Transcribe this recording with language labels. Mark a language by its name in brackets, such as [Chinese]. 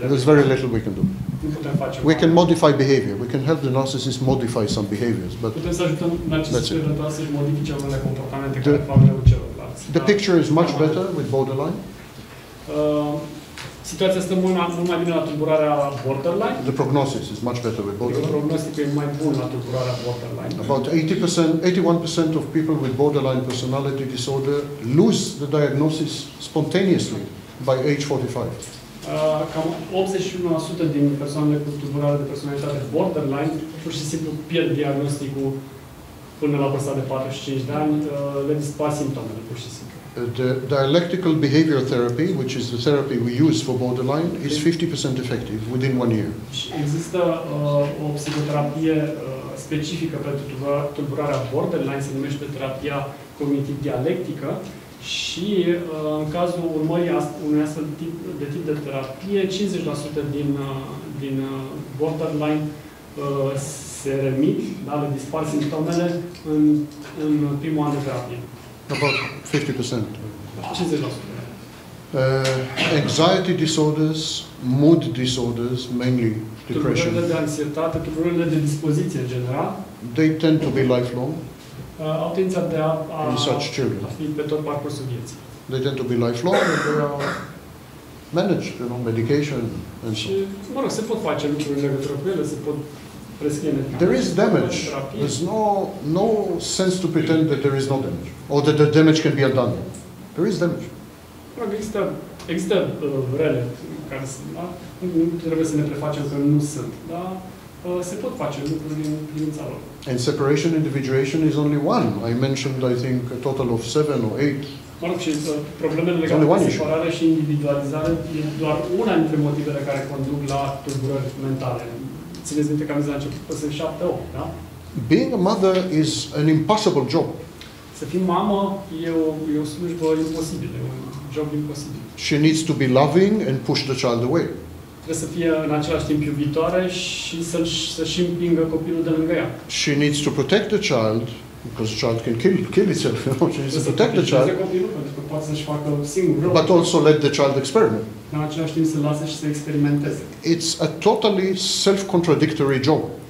[English] There's very little we can do. [Romanian] Nu putem face. [English] We can modify behavior. We can help the narcissist modify some behaviors, but [Romanian] putem să ajutăm narcisistul să modifice unele comportamente care fac rău celorlalți. [English] The picture is much better with borderline. [Romanian] Situația stă mult mai bine la tulburarea borderline. [English] The prognosis is much better with borderline. [Romanian] Prognostic e mai bun la tulburarea borderline. [English] About 80%, 81% of people with borderline personality disorder lose the diagnosis spontaneously by age 45. [Romanian] Cam 81% din persoanele cu tulburare de personalitate borderline pur și simplu pierd diagnosticul până la vârsta de 45 de ani, le dispar simptomele pur și simplu. [English] The dialectical behavior therapy, which is the therapy we use for borderline, is 50% effective within 1 year. [Romanian] Există o psihoterapie specifică pentru tulburarea borderline, se numește terapia cognitiv-dialectică și în cazul urmării unui astfel de tip de terapie, 50% din borderline se remit, dar le dispar simptomele în primul an de terapie. [English] About 50%. [Romanian] 50%. [English] Anxiety disorders, mood disorders, mainly depression. [Romanian] Tulburările de anxietate, tulburările de dispoziție în general. [English] They tend to be lifelong. [Romanian] Au tendința de a [English] in such children. [Romanian] A fi pe tot parcursul vieții. [English] They tend to be lifelong. Managed, you know, medication and so. [Romanian] Și, mă rog, se pot face lucruri în legătură cu ele, se pot. [English] There is damage. There's no sense to pretend that there is no damage, or that the damage can be undone. There is damage. [Romanian] Există rele care nu trebuie să ne prefacem că nu sunt, dar se pot face lucruri din privința lor. [English] And separation individuation is only one. I mentioned, I think, a total of 7 or 8. [Romanian] Mă rog, și problemele legate de separare și individualizare e doar una dintre motivele care conduc la tulburări mentale. Țineți minte că am zis la început, păi sunt 7-8, da? [English] Being a mother is an impossible job. [Romanian] Să fii mamă e o slujbă imposibilă, e un job imposibil. [English] She needs to be loving and push the child away. [Romanian] Trebuie să fie în același timp iubitoare și să-și împingă copilul de lângă ea. [English] She needs to protect the child, because the child can kill itself. She needs to protect the child. [Romanian] Copilul, pentru că poate să-și facă singur rău. [English] But also let the child experiment. [Romanian] În același timp să lase și să experimenteze. [English] It's a totally self-contradictory job.